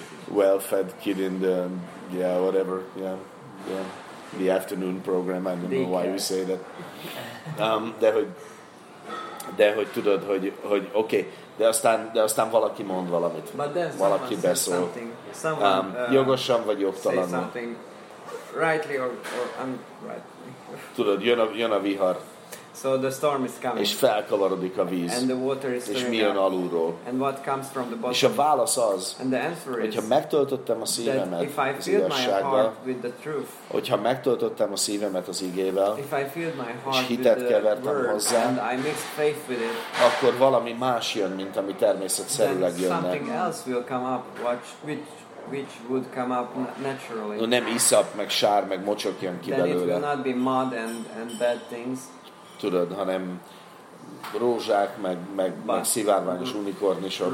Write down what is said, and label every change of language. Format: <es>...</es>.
<en>Well-fed kid in the, yeah, whatever, yeah, yeah. The afternoon program, I don't know why we say that.</en> <hu>De hogy tudod, hogy okay, de aztán valaki mond valamit. Valaki beszól. Jogosan vagy jogtalanul.</hu> <en>Rightly or unrightly.</en> <hu>Tudod, jön a vihar.</hu> <en>So the storm is coming.</en> <hu>És felkavarodik a víz.</hu> <en>And the water is</en> <hu>és mi jön alulról.</hu> <en>And what comes from the bottom.</en> <hu>És a válasz az,</hu> <en>and the answer is,</en> <hu>hogyha megtöltöttem a szívemet az igazsággal, hogyha megtöltöttem a szívemet az igével,</hu> <en>if I filled my heart</en> <hu>és hitet kevertem hozzá,</hu> <en>and I mixed faith with it,</en> <hu>akkor valami más jön, mint ami természetszerűleg jönne.</hu> <en>Something else will come up, which would come up naturally.</en> <hu>No, nem iszap, meg sár, meg mocsok jön ki</hu> <en>then</en> <hu>belőle.</hu> <en>Then it will not be mud and bad things.</en> <hu>Tudod, hanem rózsák, meg szivárványos unikornisok.</hu>